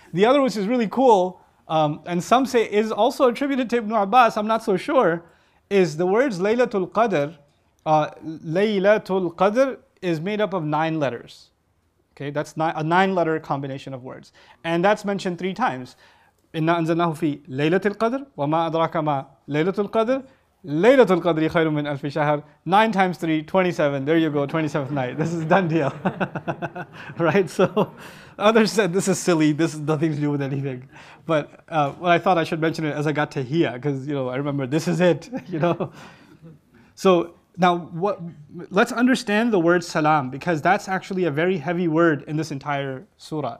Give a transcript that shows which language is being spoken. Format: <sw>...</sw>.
<en>The other, which is really cool, and some say is also attributed to Ibn Abbas, I'm not so sure, is the words Laylatul Qadr. Laylatul Qadr is made up of 9 letters. Okay, that's a 9-letter combination of words. And that's mentioned 3 times.</en> <ar>إِنَّا أَنزَلْنَاهُ فِي لَيْلَةِ الْقَدْرِ وَمَا أَدْرَاكَ مَا لَيْلَةُ الْقَدْرِ لَيْلَةُ الْقَدْرِ خَيْرٌ مِنْ أَلْفِ شَهْرٍ</ar> <en>9 times 3, 27, there you go, 27th night. This is done deal. Right, so others said this is silly, this has nothing to do with anything. But I thought I should mention it as I got to here, because you know, I remember this is it, you know. So now, let's understand the word salam, because that's actually a very heavy word in this entire surah.</en>